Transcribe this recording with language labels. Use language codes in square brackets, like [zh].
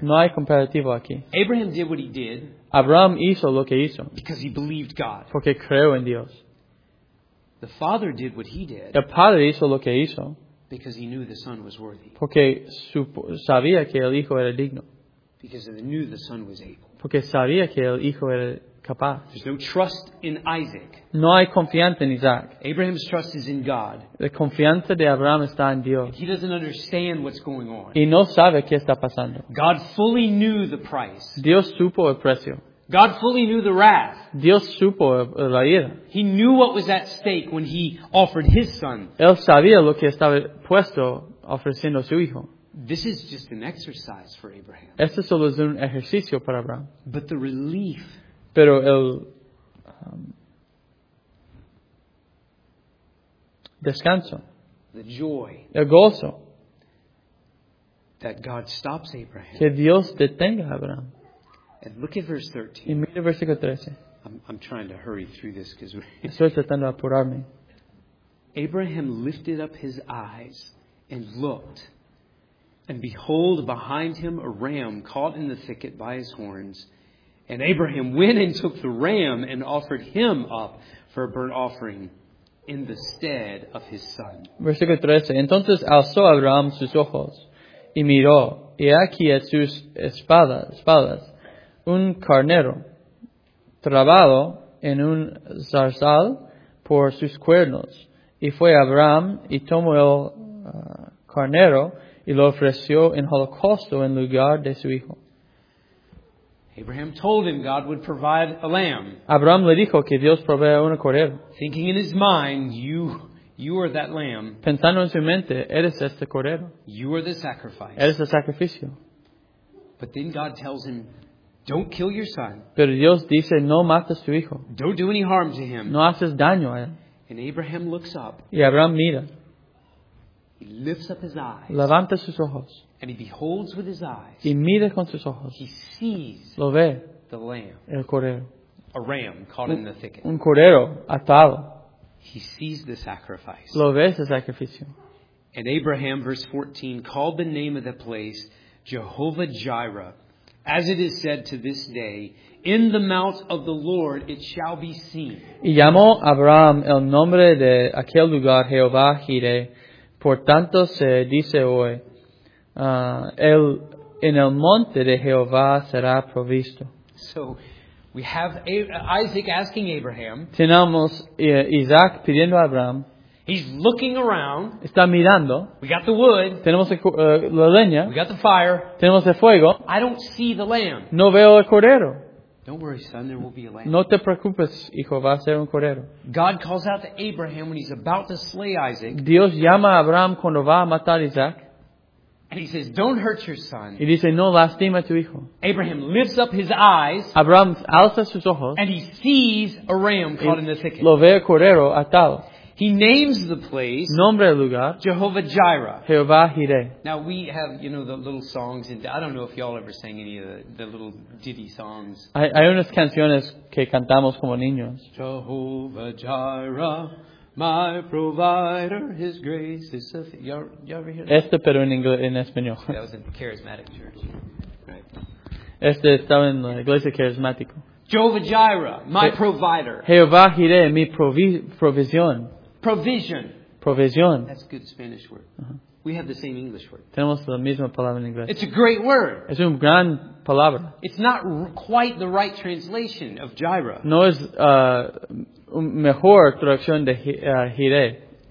[es] No hay comparativo aquí. [en] Abraham did what he did. [es] Abraham hizo lo que hizo. [en] Because he believed God. [es] Porque creó en Dios. [en] The father did what he did. [es] El padre hizo lo que hizo. [en] Because he knew the son was worthy. [es] Porque sabía que el hijo era digno. [en] Because he knew the son was able. [es] Porque sabía que el hijo era capaz. [en] There's no trust in Isaac. [es] No hay confianza en Isaac. [en] Abraham's trust is in God. [es] La confianza de Abraham está en Dios. [en] And he doesn't understand what's going on. [es] Y no sabe qué está pasando. [en] God fully knew the price. [es] Dios supo el precio. [en] God fully knew the wrath. [es] Dios supo la ira. [en] He knew what was at stake when he offered his son. [es] Él sabía lo que estaba puesto ofreciendo a su hijo. [en] This is just an exercise for Abraham. [es] Esto solo es un ejercicio para Abraham. [en] But the relief. [es] Pero el descanso. [en] The joy. [es] El gozo. [en] That God stops Abraham. [es] Que Dios detenga a Abraham. [en] And look at verse 13. [es] Y mira versículo 13. [en] I'm trying to hurry through this because [es] estoy tratando de apurarme. [en] Abraham lifted up his eyes and looked, and behold, behind him a ram caught in the thicket by his horns. And Abraham went and took the ram and offered him up for a burnt offering in the stead of his son. [es] Versículo 13. Entonces alzó Abraham sus ojos y miró, y aquí a sus espaldas. Un carnero trabado en un zarzal por sus cuernos. Y fue Abraham y tomó el carnero y lo ofreció en holocausto en lugar de su hijo. [en] Abraham told him God would provide a lamb. [es] Abraham le dijo que Dios proveerá un cordero. [en] Thinking in his mind, you are that lamb. [es] Pensando en su mente, eres este cordero. [en] You are the sacrifice. [es] Eres el sacrificio. [en] But then God tells him, Don't kill your son. [es] Pero Dios dice, no mates tu hijo. [en] Don't do any harm to him. [es] No haces daño a él. [en] And Abraham looks up. [es] Y Abraham mira. [en] He lifts up his eyes. [es] Levanta sus ojos. [en] And he beholds with his eyes. [es] Y mira con sus ojos. [en] He sees. [es] Lo ve. [en] The lamb. [es] El cordero. [en] A ram caught in the thicket. [es] Un cordero atado. [en] He sees the sacrifice. [es] Lo ve ese sacrificio. [en] And Abraham, verse 14, called the name of the place Jehovah Jireh. As it is said to this day, in the mount of the Lord it shall be seen. [es] Y llamó Abraham el nombre de aquel lugar Jehová Jireh. Por tanto se dice hoy, en el monte de Jehová será provisto. [en] So, we have Isaac asking Abraham. [es] Tenemos Isaac pidiendo a Abraham. [en] He's looking around. [es] Está mirando. [en] We got the wood. [es] Tenemos la leña. [en] We got the fire. [es] Tenemos el fuego. [en] I don't see the lamb. [es] No veo el cordero. [en] Don't worry, son, there will be a lamb. [es] No te preocupes, hijo, va a ser un cordero. [en] God calls out to Abraham when he's about to slay Isaac. [es] Dios llama a Abraham cuando va a matar Isaac. [en] And he says, don't hurt your son. [es] Y dice, no lastima tu hijo. [en] Abraham lifts up his eyes. [es] Abraham alza sus ojos. [en] And he sees a ram caught in the thicket. [es] Lo ve el cordero atado. [en] He names the place. [es] Nombre el lugar. [en] Jehovah Jireh. [es] Jehovah Jireh. [en] Now we have, you know, the little songs. And I don't know if y'all ever sang any of the little ditty songs. [es] Hay unas canciones que cantamos como niños. [en] Jehovah Jireh. My provider, His grace is sufficient. Y'all ever hear that? [es] Este, pero en inglés, en español. [en] That was in the charismatic church. Right. [es] Este estaba en la iglesia carismática. [en] Jehovah Jireh, my provider. [es] Jehovah Jireh, mi provisión. [en] Provision. Provision. That's a good Spanish word. Uh-huh. We have the same English word. [es] Tenemos la misma palabra en inglés. [en] It's a great word. [es] Es un gran palabra. [en] It's not quite the right translation of Jireh. [es] No es... mejor traducción de Jireh.